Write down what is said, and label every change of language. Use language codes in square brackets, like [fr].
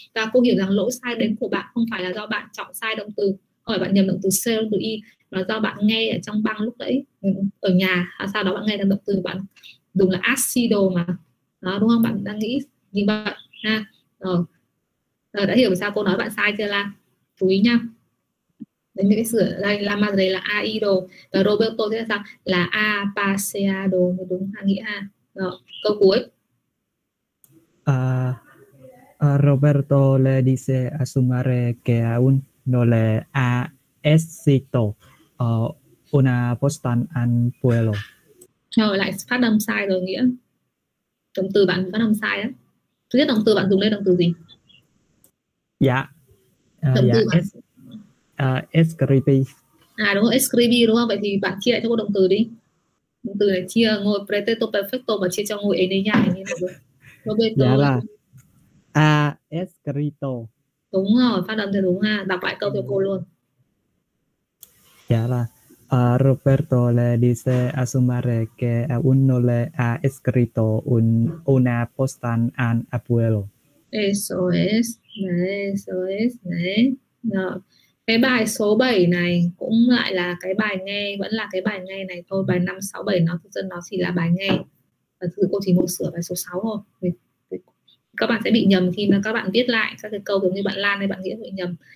[vi] Và cô hiểu rằng lỗi sai đến của bạn không phải là do bạn chọn sai động từ, không phải bạn nhầm động từ c, động từ y, mà do bạn nghe ở trong băng lúc đấy ở nhà, sau đó bạn nghe là động từ bạn đúng là acido mà đó, đúng không? Bạn đang nghĩ như vậy ha. Rồi đã hiểu sao cô nói bạn sai chưa, là chú ý nha. Đấy, những cái sửa đây, La Madre là Aido và Roberto thế là sao? Là Apaseado, đúng hả nghĩa ha. Rồi, câu cuối. [es] Roberto le dice a su madre que aún no le ha escrito una postal al pueblo. [vi] Rồi, lại phát âm sai rồi nghĩa. Động từ bạn phát âm sai á. Thứ nhất động từ bạn dùng lên động từ gì? Dạ. À đúng rồi, escribi đúng không? Vậy thì bạn chia lại cho cô động từ đi. Động từ này chia ngôi pretérito perfecto mà chia cho ngôi ấy đấy nha. Roberto. Dạ là escrito. Đúng rồi, phát âm thì đúng ha. Đọc lại câu cho cô luôn. [es] Dạ là Roberto le dice a su madre que aún no le ha escrito una postal al abuelo. Eso es, eso es, eso es. [vi] Cái bài số 7 này cũng lại là cái bài nghe, vẫn là cái bài nghe này thôi. Bài 5, 6, 7 nó thực ra nó chỉ là bài nghe. Và thực sự cô chỉ một sửa bài số 6 thôi. Các bạn sẽ bị nhầm khi mà các bạn viết lại các cái câu giống như bạn Lan hay bạn Nghĩa bị nhầm.